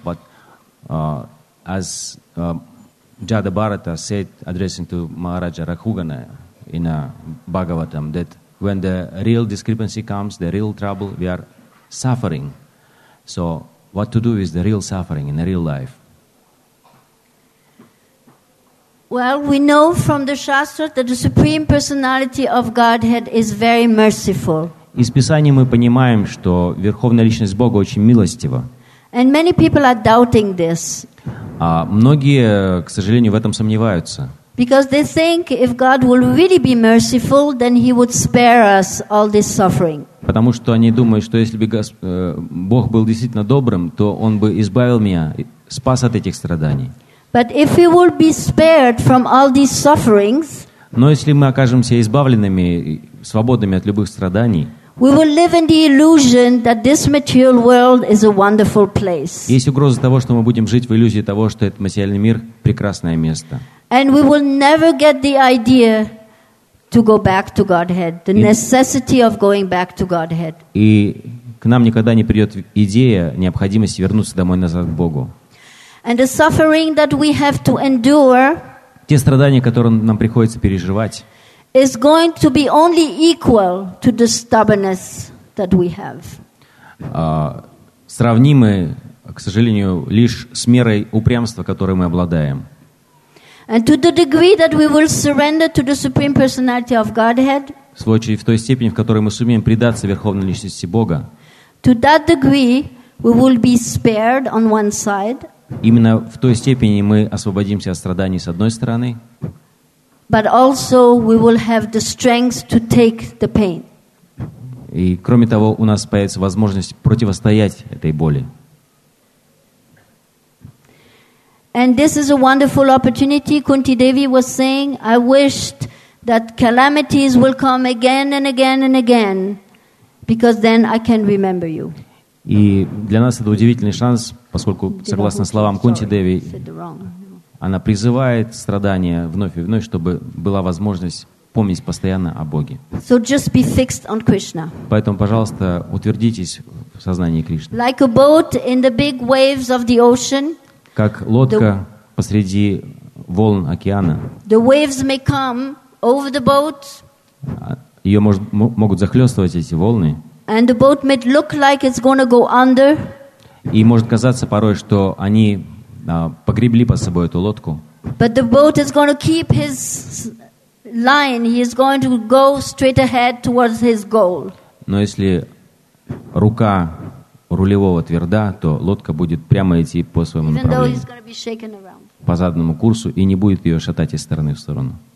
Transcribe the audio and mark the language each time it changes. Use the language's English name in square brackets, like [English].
[English] But as Jada Bharata said, addressing to Maharaja Raghugana in Bhagavatam, that when the real discrepancy comes, the real trouble, we are suffering. So what to do with the real suffering in the real life? Well, we know from the Shastra that the Supreme Personality of Godhead is very merciful. [Russian] Из Писания мы понимаем, что Верховная Личность Бога очень милостива. [English] And many people are doubting this. [Russian] Многие, к сожалению, в этом сомневаются. [English] Because they think if God will really be merciful, then he would spare us all this suffering. [Russian] Потому что они думают, что если бы Бог был действительно добрым, то он бы избавил меня, спас от этих страданий. [English] But if we will be spared from all these sufferings, [Russian] но если мы окажемся избавленными, свободными от любых страданий, [English] we will live in the illusion that this material world is a wonderful place. [Russian] Есть угроза того, что мы будем жить в иллюзии того, что этот материальный мир прекрасное место. [English] And we will never get the idea to go back to Godhead, the necessity of going back to Godhead. [Russian] И к нам никогда не придет идея необходимости вернуться домой назад к Богу. [English] And the suffering that we have to endure, [Russian] те страдания, которые нам приходится переживать, [English] is going to be only equal to the stubbornness that we have. [Russian] Сравнимы, к сожалению, лишь с мерой упрямства, которой мы обладаем. [English] And to the degree that we will surrender to the Supreme Personality of Godhead, [Russian] в свою очередь, в той степени, в которой мы сумеем предаться Верховной Личности Бога, [English] to that degree we will be spared on one side. [Russian] Именно в той степени мы освободимся от страданий с одной стороны. [English] But also we will have the strength to take the pain. [Russian] И кроме того, у нас появится возможность противостоять этой боли. [English] And this is a wonderful opportunity, Kunti Devi was saying, I wished that calamities will come again and again and again, because then I can remember you. [Russian] И для нас это удивительный шанс, поскольку, согласно словам Кунти Деви, она призывает страдания вновь и вновь, чтобы была возможность помнить постоянно о Боге. [English] So just be fixed on Krishna. [Russian] Поэтому, пожалуйста, утвердитесь в сознании Кришны. [English] Like a boat in the big waves of the ocean, [Russian] как лодка посреди волн океана. [English] The waves may come over the boat. [Russian] Ее могут захлестывать эти волны. [English] And the boat may look like it's going to go under. [Russian] И может казаться порой, что они погребли под собой эту лодку. [English] But the boat is going to keep his line. He is going to go straight ahead towards his goal. [Russian] Но если рука рулевого тверда, то лодка будет прямо идти по своему направлению, по заданному курсу, и не будет ее шатать из стороны в сторону.